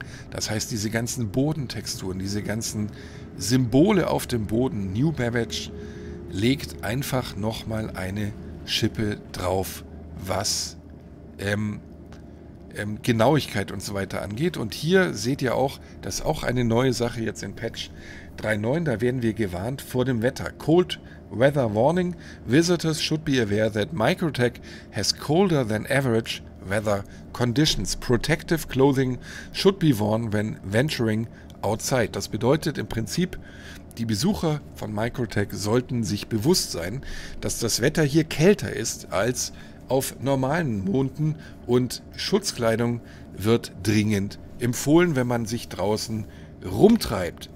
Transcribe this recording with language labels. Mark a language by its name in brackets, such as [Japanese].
[German] Das heißt, diese ganzen Bodentexturen, diese ganzen Symbole auf dem Boden, New Babbage legt einfach nochmal eine Schippe drauf, was Genauigkeit und so weiter angeht. Und hier seht ihr auch, das ist auch eine neue Sache jetzt in Patch 3.9, da werden wir gewarnt vor dem Wetter. [English] Cold Weather Warning. Visitors should be aware that Microtech has colder than average weather conditions. Protective clothing should be worn when venturing outside. [German] Das bedeutet im Prinzip, die Besucher von Microtech sollten sich bewusst sein, dass das Wetter hier kälter ist als auf normalen Monden und Schutzkleidung wird dringend empfohlen, wenn man sich draußen rumtreibt.